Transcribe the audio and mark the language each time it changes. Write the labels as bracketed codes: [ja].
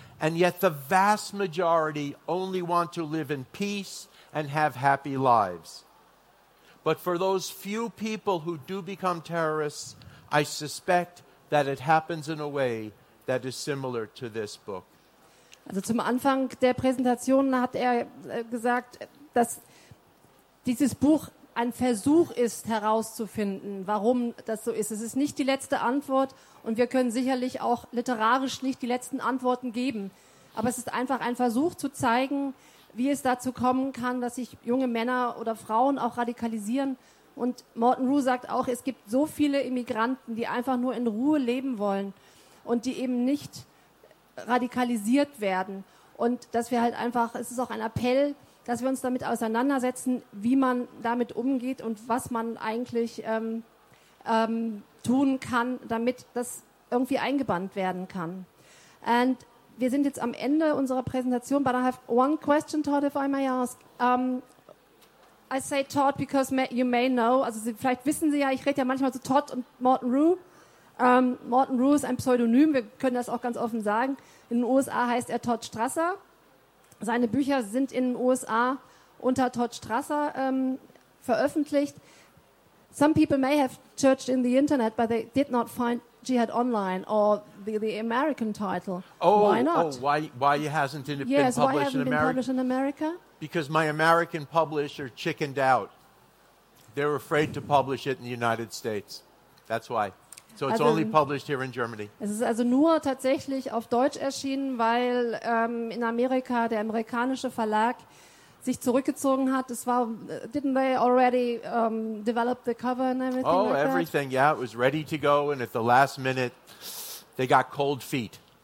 [en] And yet the vast majority only want to live in peace and have happy lives. But for those few people who do become terrorists, I suspect that it happens in a way that is similar to this book. [de] Also zum Anfang der Präsentation hat er gesagt, dass dieses Buch ein Versuch ist, herauszufinden, warum das so ist. Es ist nicht die letzte Antwort und wir können sicherlich auch literarisch nicht die letzten Antworten geben. Aber es ist einfach ein Versuch zu zeigen, wie es dazu kommen kann, dass sich junge Männer oder Frauen auch radikalisieren. Und Morton Rhue sagt auch, es gibt so viele Immigranten, die einfach nur in Ruhe leben wollen und die eben nicht radikalisiert werden. Und dass wir halt einfach, es ist auch ein Appell, dass wir uns damit auseinandersetzen, wie man damit umgeht und was man eigentlich tun kann, damit das irgendwie eingebannt werden kann. Und wir sind jetzt am Ende unserer Präsentation. [en] But I have one question, Todd, if I may ask. I say Todd because you may know, [de] also Sie, vielleicht wissen Sie ja, ich rede ja manchmal zu Todd und Morton Rhue. Morton Rhue ist ein Pseudonym, wir können das auch ganz offen sagen. In den USA heißt er Todd Strasser. Seine Bücher sind in den USA unter Todd Strasser veröffentlicht. [en] Some people may have searched in the internet, but they did not find Jihad Online or the American title. Oh, why not? Oh, why hasn't it been published in America? Yes, why hasn't it been published in America? Because my American publisher chickened out. They're afraid to publish it in the United States. That's why. So it's only published here in Germany. [de] Es ist also nur tatsächlich auf Deutsch erschienen, weil in Amerika der amerikanische Verlag sich zurückgezogen hat. Es war, [en] didn't they already develop the cover and everything? Oh, like everything, that? Yeah. It was ready to go, and at the last minute, they got cold feet.